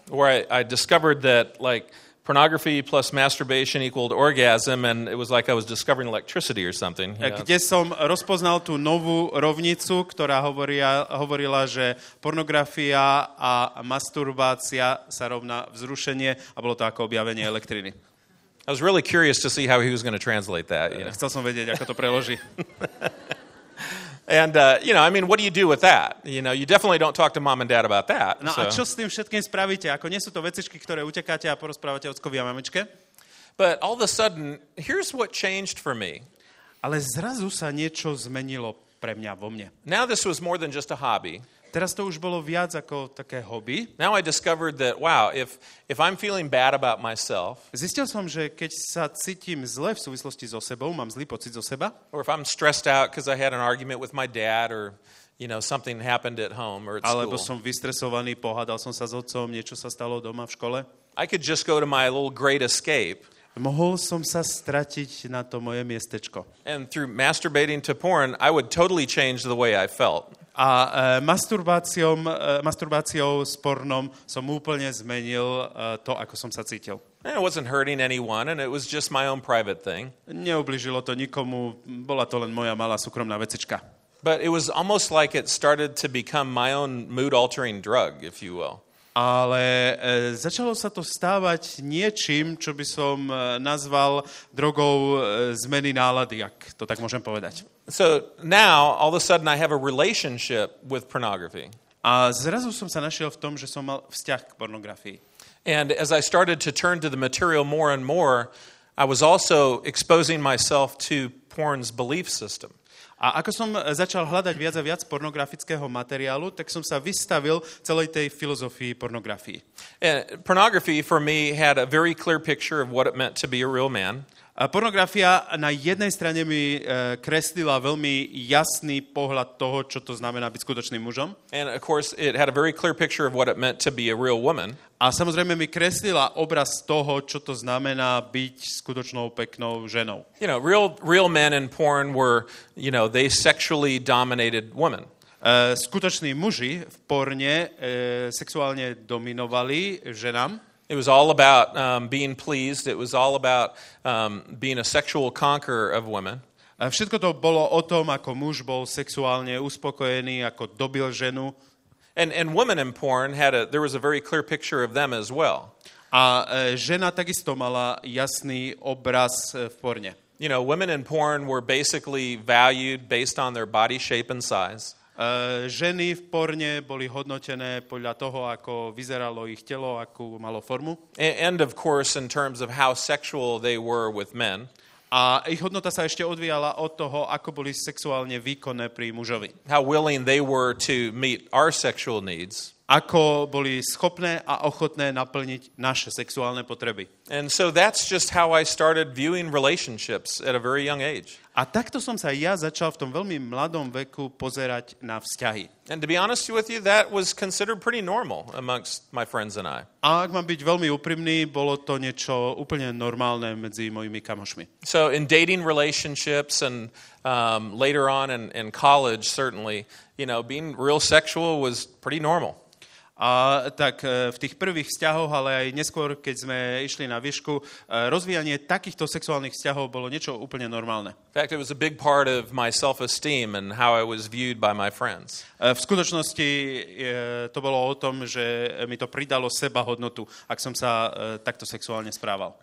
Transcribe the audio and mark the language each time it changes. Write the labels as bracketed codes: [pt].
[en] Where I discovered that like pornography plus masturbation equaled orgasm and it was like I was discovering electricity or something. [sk] A kde som rozpoznal tú novú rovnicu, ktorá hovorila, že pornografia a masturbácia sa rovná vzrušenie a bolo to ako objavenie elektriny. [en] I was really curious to see how he was going to translate that. You know? [sk] Chcel som vedieť, ako to preloží. [en] And you know, I mean, what do you do with that? You know, you definitely don't talk to mom and dad about that. [sk] No, so. A čo s tým všetkým spravíte? Ako nie sú to vecičky, ktoré utekáte a porozprávate ockovi a mamičke? [en] But all of a sudden, here's what changed for me. [sk] Ale zrazu sa niečo zmenilo pre mňa vo mne. [en] Now this was more than just a hobby. [sk] Teraz to už bolo viac ako také hobby. [en] Now I discovered that wow, if I'm feeling bad about myself, [sk] zistil som, že keď sa cítim zle v súvislosti so sebou, mám zlý pocit zo seba, [en] or if I'm stressed out because I had an argument with my dad or you know something happened at home or at school, [sk] alebo som vystresovaný, pohádal som sa s otcom, niečo sa stalo doma v škole, [en] I could just go to my little great escape. [sk] Mohol som sa stratiť na to moje miestečko. [en] And through masturbating to porn, I would totally change the way I felt. [sk] A masturbáciou s pornom som úplne zmenil to, ako som sa cítil. [en] And it wasn't hurting anyone and it was just my own private thing. [sk] Neublížilo to nikomu, bola to len moja malá súkromná vecička. [en] But it was almost like it started to become my own mood altering drug, if you will. [sk] Ale začalo sa to stávať niečím, čo by som nazval drogou zmeny nálady, ak to tak môžem povedať. [en] So now all of a sudden I have a relationship with pornography. [sk] A zrazu som sa našiel v tom, že som mal vzťah k pornografii. [en] And as I started to turn to the material more and more, I was also exposing myself to porn's belief system. [sk] A ako som začal hľadať viac a viac pornografického materiálu, tak som sa vystavil celej tej filozofii pornografii. [en] Pornography for me had a very clear picture of what it meant to be a real man. [sk] A pornografia na jednej strane mi kreslila veľmi jasný pohľad toho, čo to znamená byť skutočným mužom. [en] And of course it had a very clear picture of what it meant to be a real woman. [sk] A samozrejme mi kreslila obraz toho, čo to znamená byť skutočnou peknou ženou. [en] You know, real men in porn were, you know, they sexually dominated women. [sk] Skutoční muži v porne sexuálne dominovali ženám. [en] It was all about being pleased. It was all about being a sexual conqueror of women. [sk] A všetko to bolo o tom, ako muž bol sexuálne uspokojený, ako dobil ženu. [en] And women in porn had there was a very clear picture of them as well. [sk] A žena takisto mala jasný obraz v porne. [en] You know, women in porn were basically valued based on their body shape and size. [sk] Ženy v porne boli hodnotené podľa toho, ako vyzeralo ich telo, akú malo formu. [en] And of course in terms of how sexual they were with men. [sk] A ich hodnota sa ešte odvíjala od toho, ako boli sexuálne výkonné pri mužovi. [en] How willing they were to meet our sexual needs. [sk] Ako boli schopné a ochotné naplniť naše sexuálne potreby. [en] And so that's just how I started viewing relationships at a very young age. [sk] A takto som sa ja začal v tom veľmi mladom veku pozerať na vzťahy. [en] And to be honest with you, that was considered pretty normal amongst my friends and I. [sk] A ak mám byť veľmi úprimný, bolo to niečo úplne normálne medzi mojimi kamošmi. [en] So in dating relationships and later on in college certainly, you know, being real sexual was pretty normal. [sk] A tak v tých prvých vzťahoch, ale aj neskôr, keď sme išli na výšku, rozvíjanie takýchto sexuálnych vzťahov bolo niečo úplne normálne. [en] In fact, it was a big part of my self-esteem and how I was viewed by my friends. [sk] V skutočnosti to bolo o tom, že mi to pridalo sebahodnotu, ak som sa takto sexuálne správal.